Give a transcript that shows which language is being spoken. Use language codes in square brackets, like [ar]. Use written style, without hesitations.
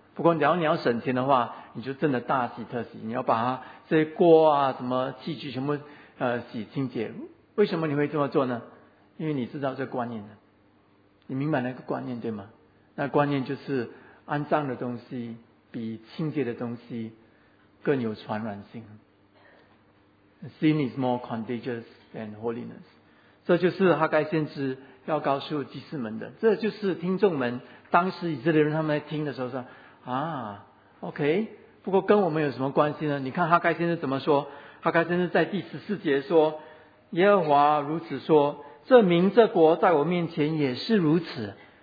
[zh] 不过只要你要省钱的话，你就真的大洗特洗，你要把它这些锅啊什么器具全部洗清洁。为什么你会这么做呢？因为你知道这个观念的，你明白那个观念对吗？那观念就是肮脏的东西比清洁的东西更有传染性。 [en] Sin is more contagious than holiness。 [zh] 这就是哈该先知要告诉祭司们的，这就是听众们当时以色列人他们在听的时候说啊 OK， 不过跟我们有什么关系呢？你看哈该先知怎么说，哈该先知在第十四节说，耶和华如此说，这民这国在我面前也是如此。